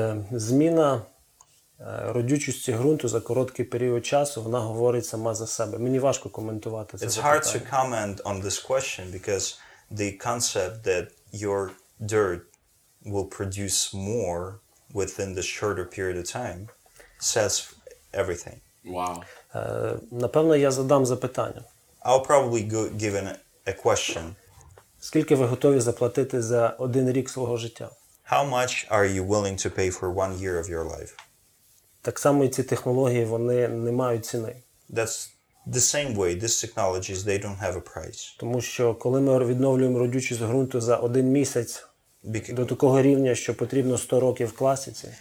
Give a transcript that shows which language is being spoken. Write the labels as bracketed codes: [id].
[uk] Зміна родючості ґрунту за короткий період часу, вона говорить сама за себе. Мені важко коментувати це. [en] It's hard to comment on this question because the concept that your dirt will produce more within the shorter period of time says everything. Wow. [uk] Напевно, я задам запитання. [en] I'll probably give a question. [uk] Скільки ви готові заплатити за один рік свого життя? [en] How much are you willing to pay for one year of your life? [uk] Так само і ці технології, вони не мають ціни. [en] That's the same way. These technologies, they don't have a price. [uk] Тому що коли ми відновлюємо родючість ґрунту за один місяць до такого рівня, що потрібно 100 років класиці.